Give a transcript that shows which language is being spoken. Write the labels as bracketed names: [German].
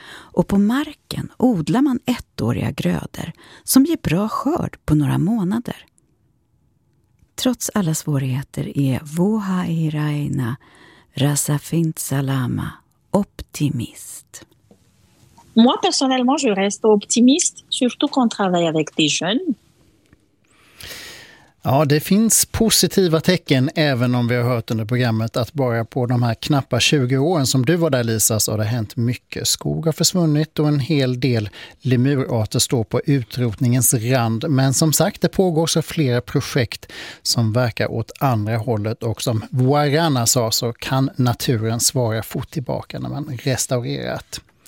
[Swedish] Och på marken odlar man ettåriga grödor som ger bra skörd på några månader. Trots alla svårigheter är Vohairaina Rasafintsalama optimist. [French] Moi personnellement je reste optimiste, surtout quand on travaille avec des jeunes. [Swedish] Ja, det finns positiva tecken även om vi har hört under programmet att bara på de här knappa 20 åren som du var där Lisa så har det hänt mycket. Skog har försvunnit och en hel del lemurarter står på utrotningens rand. Men som sagt, det pågår så flera projekt som verkar åt andra hållet och som Warana sa så kan naturen svara fort tillbaka när man restaurerat.